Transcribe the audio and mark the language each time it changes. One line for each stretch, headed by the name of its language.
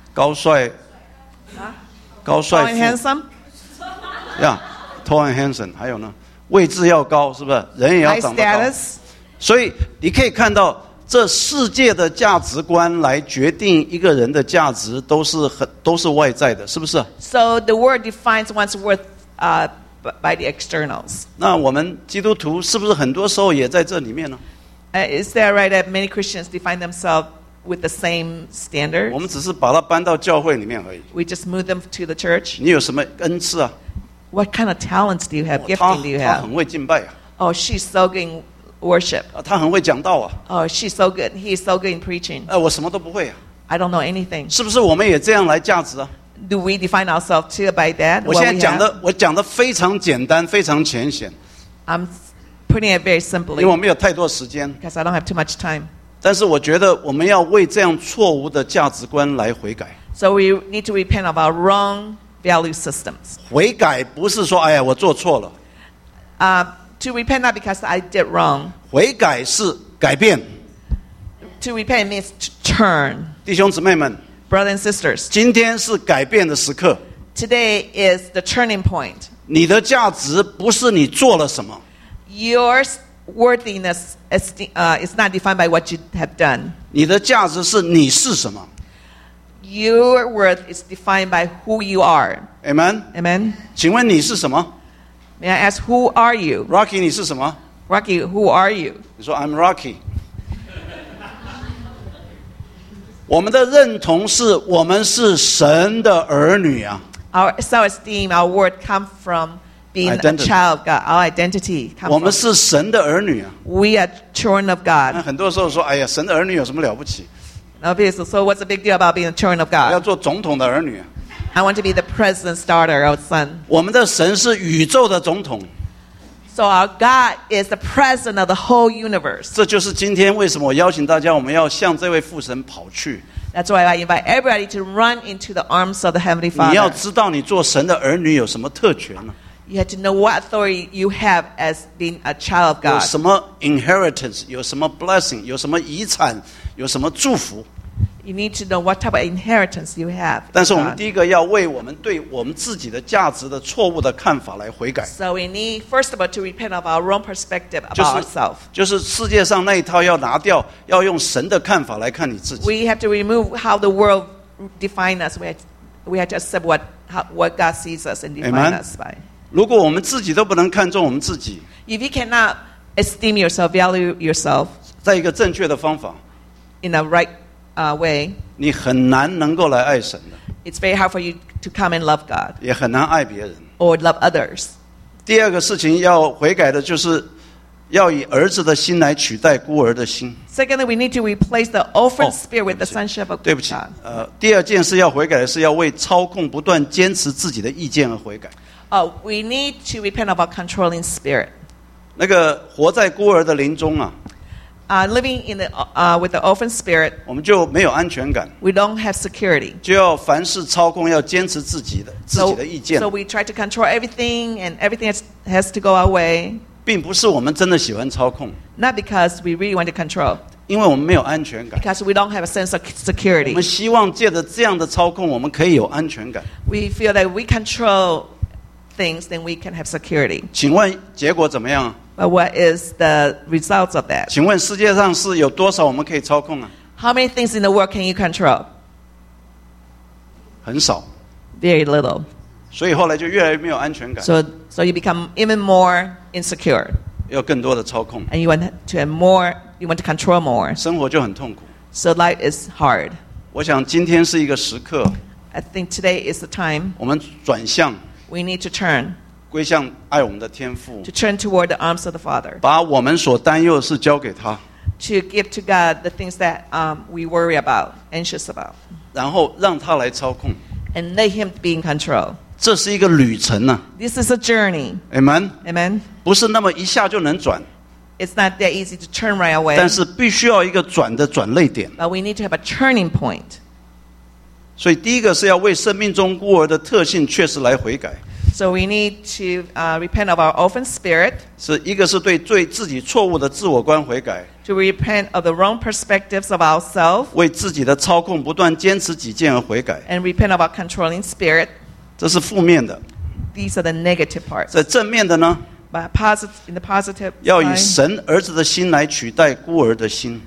Chinese: 高帅。啊？高帅。
English: Tall and handsome. Yeah, tall and handsome.
Chinese: 还有呢？位置要高，是不是？人也要长得高。
English: High status.
Chinese: 所以你可以看到。这世界的价值观来决定一个人的价值都是外在的，是不是
English: ？So the world defines one's worth by the externals.
Chinese: 那我们基督徒是不是很多时候也在这里面呢
English: ？Is that right that many Christians define themselves with the same standards?
Chinese: 我们只是把它搬到教会里面而已。
English: We just move them to the church.
Chinese: 你有什么恩赐啊
English: What kind of talents do you have? Gifting do you have?
Chinese: 她很会敬拜啊。
English: Oh, she's so good in worship.
Chinese: 她很会讲道啊。
English: Oh, she's so good. He's so good in preaching.
Chinese: 我什么都不会啊。
English: I don't know anything.
Chinese: 是不是我们也这样来价值啊？
English: Do we define ourselves too by that?
Chinese: 我现在讲的，我讲的非常简单，非常浅显。
English: I'm putting it very simply.
Chinese: 因为我没有太多时间。
English: Because I don't have too much time.
Chinese: 但是我觉得我们要为这样错误的价值观来悔改。
English: So we need to repent of our wrong value systems.
Chinese: 悔改不是说哎呀我做错了。
English: To repent not because I did wrong.
Chinese: 悔改是改变。
English: To repent means to turn.
Chinese: 弟兄姊妹们。
English: Brothers and sisters,
Chinese: 今天是改变的时刻。
English: Today is the turning point.
Chinese: 你的价值不是你做了什么。
English: Your worthiness is not defined by what you have done.
Chinese: 你的价值是你是什么。
English: Your worth is defined by who you are. Amen. Amen.
Chinese: 请问你是什么。
English: May I ask who are you?
Chinese: Rocky, 你是什么。
English: Rocky, who are you?
Chinese: 你说
English: I'm Rocky.
Chinese: 我们的认同是我们是神的儿女啊。
English: Our self-esteem, our worth come from being a child of God. Our identity comes from.
Chinese: 我们是神的儿女啊。
English: We are children of God.
Chinese: 很多时候说，哎呀，神的儿女有什么了不起
English: ？Now, please, so what's the big deal about being a children of God?
Chinese: 要做总统的儿女。
English: I want to be the president's daughter or son.
Chinese: 我们的神是宇宙的总统。
English: So our God is the president of the whole universe.
Chinese: 这就是今天为什么我邀请大家，我们要向这位父神跑去。
English: That's why I invite everybody to run into the arms of the Heavenly Father.
Chinese: 你要知道你做神的儿女有什么特权呢？
English: You have to know what authority you have as being a child of God.
Chinese: 有什么 inheritance, 有什么 blessing, 有什么遗产，有什么祝福。
English: You need to know what type of inheritance you have.
Chinese: 但是我们第一个要为我们对我们自己的价值的错误的看法来悔改。
English: So we need first of all to repent of our wrong perspective about ourselves.
Chinese: 就是世界上那一套要拿掉，要用神的看法来看你自己。
English: We have to remove how the world defines us. We have to accept what God sees us and defines us by.
Chinese: 如果我们自己都不能看重我们自己。
English: If you cannot esteem yourself, value yourself.
Chinese: 在一个正确的方法。
English: In a right way,
Chinese: 你很难能够来爱神的。
English: It's very hard for you to come and love God.
Chinese: 也很难爱别人。
English: Or love others.
Chinese: 第二个事情要悔改的就是要以儿子的心来取代孤儿的心。
English: Secondly, we need to replace the orphan spirit with the sonship of God.
Chinese: 对不起，第二件事要悔改的是要为操控不断坚持自己的意见而悔改。
English: We need to repent of our controlling spirit.
Chinese: 那个活在孤儿的灵中啊。
English: Living in the with the orphan spirit,
Chinese: 我们就没有安全感。
English: We don't have security.
Chinese: 就要凡事操控，要坚持自己的意见。
English: So we try to control everything, and everything has to go our way.
Chinese: 并不是我们真的喜欢操控。
English: Not because we really want to control.
Chinese: 因为我们没有安全感。
English: Because we don't have a sense of security.
Chinese: 我们希望借着这样的操控，我们可以有安全感。
English: We feel that we control things, then we can have security.
Chinese: 请问结果怎么样？
English: What is the results of that?
Chinese: 请问世界上是有多少我们可以操控啊？
English: How many things in the world can you control?
Chinese: 很少。
English: Very little.
Chinese: 所以后来就越来越没有安全感。
English: So you become even more insecure.
Chinese: 要更多的操控。
English: And you want to have more, you want to control more.
Chinese: 生活就很痛苦。
English: So life is hard.
Chinese: 我想今天是一个时刻。
English: I think today is the time.
Chinese: 我们转向。
English: We need to turn.
Chinese: 归向爱我们的天父
English: to turn toward the arms of the Father,
Chinese: 把我们所担忧的事交给他
English: to give to God the things that we worry about, anxious about,
Chinese: 然后让他来操控
English: and let him be in control.
Chinese: 这是一个旅程啊
English: This is a journey. Amen. Amen.
Chinese: 不是那么一下就能转
English: It's not that easy to turn right away.
Chinese: 但是必须要一个转的转捩点
English: But we need to have a turning point.
Chinese: 所以第一个是要为生命中孤儿的特性确实来悔改
English: So we need to repent of our orphan spirit.
Chinese: 是一个是对最自己错误的自我观悔改。
English: To repent of the wrong perspectives of ourselves.
Chinese: 为自己的操控不断坚持己见而悔改。
English: And repent of our controlling spirit.
Chinese: 这是负面的。
English: These are the negative parts.
Chinese: 在正面的呢？
English: But positive, in the positive.
Chinese: 要以神儿子的心来取代孤儿的心。